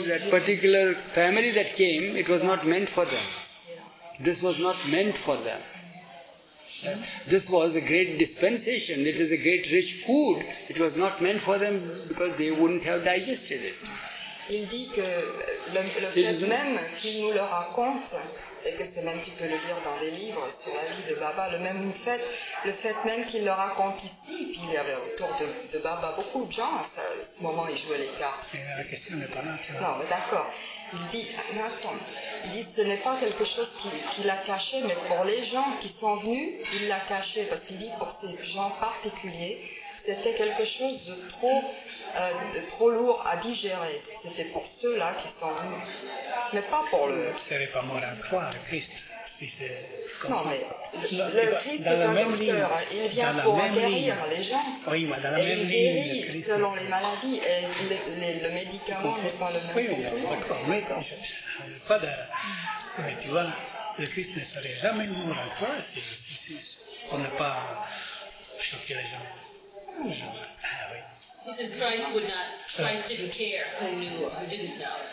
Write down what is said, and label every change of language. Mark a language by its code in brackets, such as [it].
[en] But that particular family that came, it was not meant for them. Yeah. This was not meant for them. This was a great dispensation. It is a great rich food. It was not meant for them because they wouldn't have digested it. [fr] Il dit que le fait même qu'il nous le raconte, et que c'est même tu peux le lire dans les livres sur la vie de Baba, le fait même qu'il le raconte ici, puis il y avait autour de Baba beaucoup de gens à ce moment, ils jouaient les cartes. La question n'est pas là. Non, mais d'accord. Il dit, ce n'est pas quelque chose qu'il a caché, mais pour les gens qui sont venus, il l'a caché. Parce qu'il dit, pour ces gens particuliers, c'était quelque chose de trop lourd à digérer. C'était pour ceux-là qui sont venus. Mais pas pour le... Ce serait pas mort à croire, Christ, si c'est... Non, mais le Christ est un docteur. Il vient pour guérir les gens. Oui, mais dans la même ligne. Et il guérit selon les maladies. Et le médicament n'est pas le même pour tout le monde. Oui, d'accord. Mais tu vois, le Christ ne serait jamais mort à croire si on n'a pas choqué les gens. [en] He says Christ would not. Christ didn't care who knew or who didn't know.